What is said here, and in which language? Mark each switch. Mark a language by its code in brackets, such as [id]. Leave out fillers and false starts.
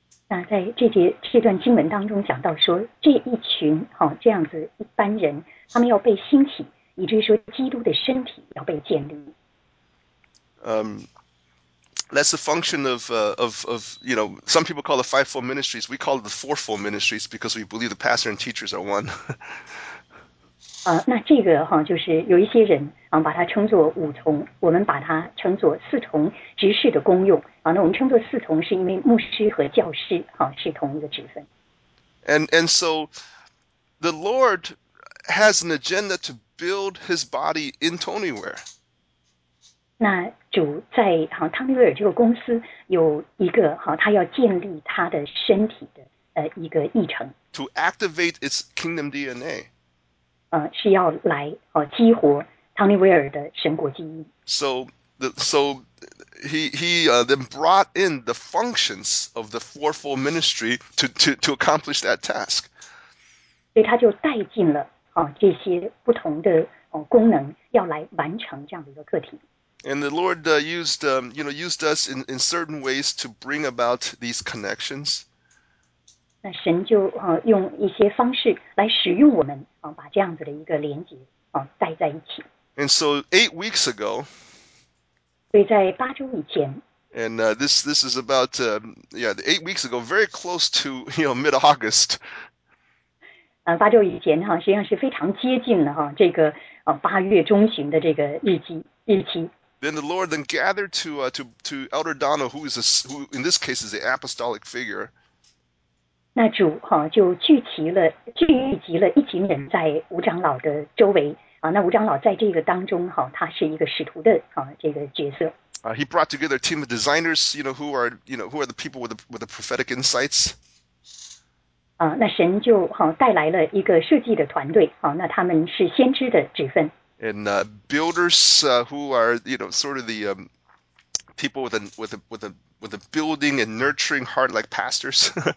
[zh] 那在这段经文当中讲到说，这一群这样子一般人，他们要被兴起，以至于说基督的身体要被建立。 [en] That's a function of you know, some people call it the fivefold ministries. We call it the fourfold ministries because we believe the pastor and teachers are one. [zh] 那这个就是有一些人把它称作五重，我们把它称作四重执事的功用那我们称作四重是因为牧师和教师是同一个职分。 [en] And so the Lord has an agenda to build his body in Tonyware. [zh] 那主在Tonyware这个公司有一个他要建立他的身体的一个议程。 [en] To activate its kingdom DNA. [zh] 是要来激活汤尼威尔的神国基因。 [en] So he then brought in the functions of the fourfold ministry to accomplish that task. [zh] 所以他就带进了这些不同的功能，要来完成这样的一个课题。 [en] And the Lord used us in certain ways to bring about these connections. [zh] 那神就用一些方式来使用我们把这样子的一个连接带在一起。 [en] And so 8 weeks ago, [zh] 所以在八周以前 [en] ，and this is about eight weeks ago, very close to mid August. [zh] 八周以前实际上是非常接近的这个八月中旬的这个日期。 [en] Then the Lord then gathered to Elder Donald, who in this case is the apostolic figure. [zh] 那主就聚集了一群人在吴长老的周围那吴长老在这个当中他是一个使徒的这个角色。 [en] He brought together a team of designers, who are the people with the prophetic insights. [zh] 那神就带来了一个设计的团队那他们是先知的职分。 [en] And builders who are sort of the people with a building and nurturing heart like pastors.